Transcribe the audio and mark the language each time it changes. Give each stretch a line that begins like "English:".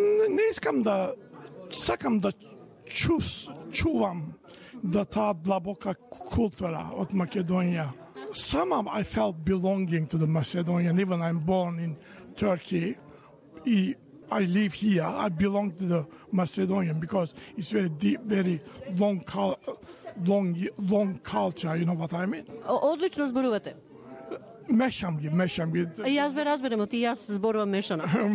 Macedonian: Не искам да, сакам да чувам да таа длабока култура од Македонија.
English: Somehow I felt belonging to the Macedonian, even I'm born in Turkey. I live here, I belong to the Macedonian because it's very deep, very long culture, you know what I mean?
Macedonian: Одлично зборувате. Мешам ги. Јас ве разберам, оти јас зборувам мешано.